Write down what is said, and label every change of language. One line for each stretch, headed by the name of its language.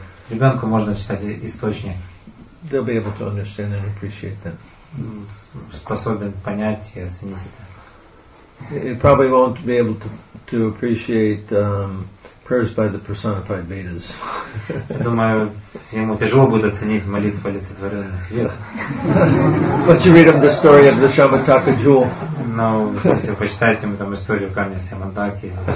Russian: Ребенку можно читать источник.
English: They'll be able to understand and appreciate them.
Russian: Способен понять и оценить это.
English: It probably won't be able to appreciate prayers by the personified Vedas.
Russian: Думаю, ему тяжело будет оценить молитвы олицетворенных Вед.
English: But you read them the story of the Shambhataka jewel.
Russian: Но если вы почитаете ему там историю камня Симандаки,